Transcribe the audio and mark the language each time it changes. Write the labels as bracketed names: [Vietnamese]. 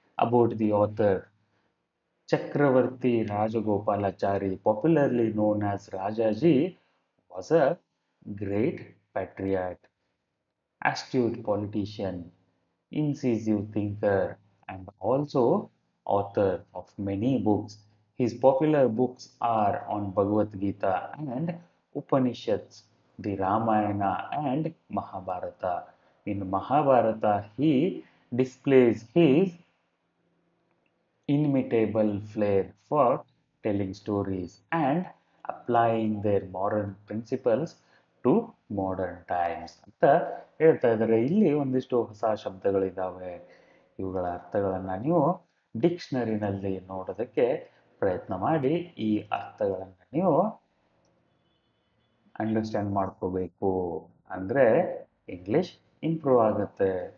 [English] About the author Chakravarti Rajagopalachari popularly known as Rajaji was a great patriot astute politician, incisive thinker and also author of many books. His popular books are on Bhagavad Gita and Upanishads, the Ramayana and Mahabharata. In Mahabharata, he displays his inimitable flair for telling stories and applying their moral principles to modern times [Kannada] ಅಂತ ಹೇಳ್ತಾ ಇದ್ದಾರೆ. ಇಲ್ಲಿ ಒಂದಿಷ್ಟು ಹೊಸ ಶಬ್ದಗಳಿದ್ದಾವೆ, ಇವುಗಳ ಅರ್ಥಗಳನ್ನು ನೀವು ಡಿಕ್ಷನರಿನಲ್ಲಿ ನೋಡೋದಕ್ಕೆ ಪ್ರಯತ್ನ ಮಾಡಿ ಈ ಅರ್ಥಗಳನ್ನು ನೀವು ಅಂಡರ್ಸ್ಟ್ಯಾಂಡ್ ಮಾಡ್ಕೋಬೇಕು, ಅಂದರೆ ಇಂಗ್ಲಿಷ್ ಇಂಪ್ರೂವ್ ಆಗುತ್ತೆ.